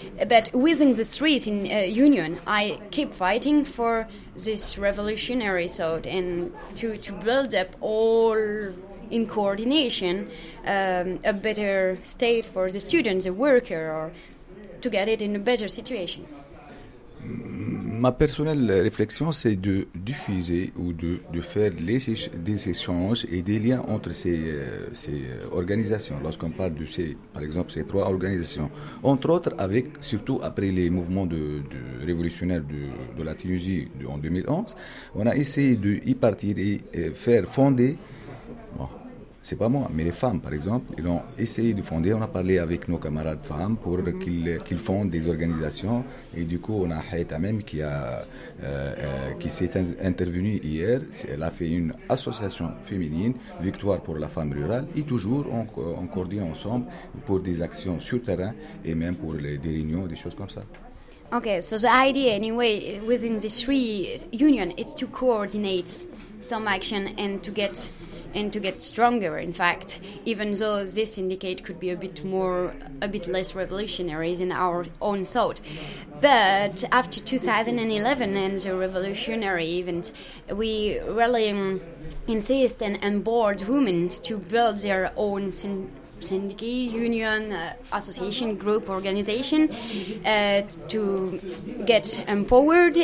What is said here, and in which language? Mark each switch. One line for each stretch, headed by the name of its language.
English: But within the three in union, I keep fighting for this revolutionary thought and to build up all in coordination a better state for the students, the worker, or to get it in a better situation.
French: Ma personnelle réflexion, c'est de diffuser ou de faire des échanges et des liens entre ces organisations. Lorsqu'on parle de ces trois organisations, entre autres, avec surtout après les mouvements de révolutionnaires de la Tunisie en 2011, on a essayé d'y partir et faire fonder. Bon, c'est pas moi, mais les femmes, par exemple, ils ont essayé de fonder. On a parlé avec nos camarades femmes pour qu'ils fondent des organisations. Et du coup, on a Haïta même qui s'est intervenue hier. Elle a fait une association féminine, Victoire pour la femme rurale. Et toujours, on coordonne ensemble pour des actions sur terrain et même pour des réunions, des choses comme ça.
English: Okay, so the idea, anyway, within the three union, it's to coordinate some action and to get stronger. In fact, even though this indicate could be a bit less revolutionary than our own thought, but after 2011 and the revolutionary event, we really insist and onboard women to build their own syndicate, union, association, group, organization, to get empowered.